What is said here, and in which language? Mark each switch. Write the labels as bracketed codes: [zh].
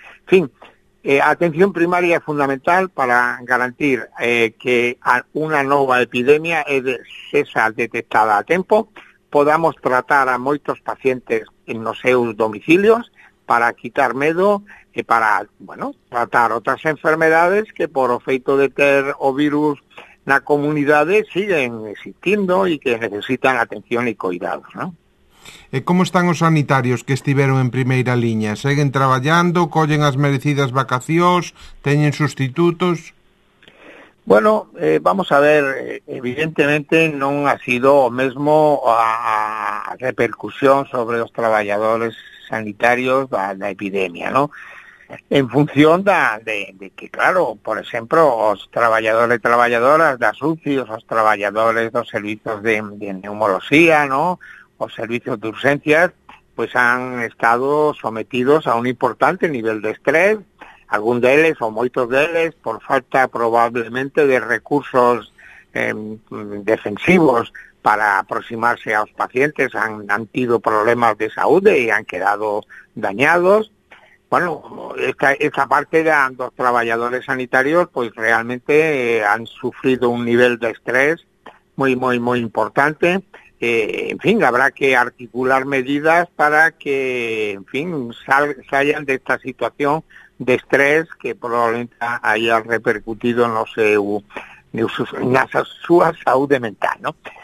[es] En fin, atención primaria es fundamental para garantizar que una nueva epidemia, esa detectada a tiempo, podamos tratar a muchos pacientes en los seus domicilios para quitar miedo y para, tratar otras enfermedades que por efecto de tener o virus na comunidade siguen existindo e que necesitan atención e cuidado, ¿no? [gl] E como están os sanitarios que estiveron en primeira liña? Seguen traballando, collen as merecidas vacacións, teñen sustitutos? Bueno, vamos a ver, evidentemente non ha sido o mesmo a repercusión sobre os traballadores sanitarios da epidemia, ¿no? En función de que, claro, por exemplo, os traballadores e traballadoras das UCI, os traballadores dos servizos de neumoloxía, ¿no?, os servizos de urxencias, pues han estado sometidos a un importante nivel de estrés, algún deles ou moitos deles, por falta probablemente de recursos defensivos para aproximarse aos pacientes, han tido problemas de saúde e han quedado dañados. [es] Bueno, esta parte de los trabajadores sanitarios, pues realmente han sufrido un nivel de estrés muy, muy, muy importante. Habrá que articular medidas para que, salgan de esta situación de estrés que probablemente haya repercutido en su salud mental, ¿no?